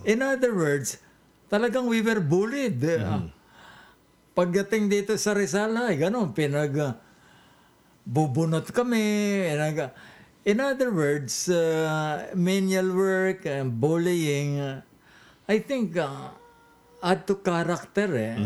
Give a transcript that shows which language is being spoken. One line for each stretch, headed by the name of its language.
English: In other words,
Filipino: talagang
English: we were bullied.
Filipino: Pagdating dito sa Rizal, ay ganun, pinag-bubunot kami.
English: In other words, menial work and bullying, I think add to character eh.